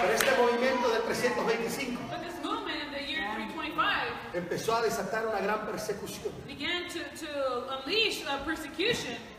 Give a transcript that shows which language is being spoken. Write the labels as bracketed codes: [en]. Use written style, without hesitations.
[es] Pero este movimiento de 325, [en] but this movement in the year 325, [es] empezó a desatar una gran persecución. [en] Began to unleash a persecution.